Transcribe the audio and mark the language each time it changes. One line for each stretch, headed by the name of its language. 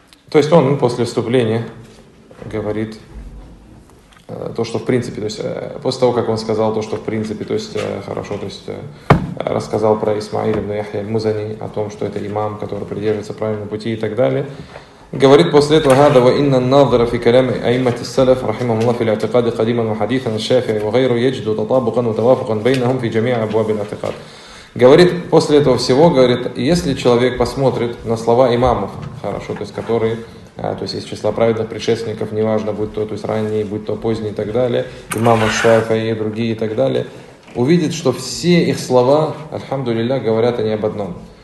Russian: То есть он после вступления говорит то, что в принципе, то есть после того, как он сказал то, что в принципе, то есть хорошо, то есть рассказал про Исмаиль ибн Яхья аль-Музани, о том, что это имам, который придерживается правильного пути и так далее. Говорит после этого
Arabic: هذا وإن الناظر في كلام أئمة السلف رحمهم الله في الاعتقاد قديما وحديثا الشافعي وغيره يجد تطابقا وتوافقا بينهم في جميع أبواب الاعتقاد.
Russian: Говорит после этого всего, говорит, если человек посмотрит на слова имамов, хорошо, то есть которые, то есть из числа праведных предшественников, неважно будь то, то есть ранние, будь то поздние и так далее, имамы Шафии и другие и так далее, увидит, что все их слова, альхамдулиллях, говорят они об одном.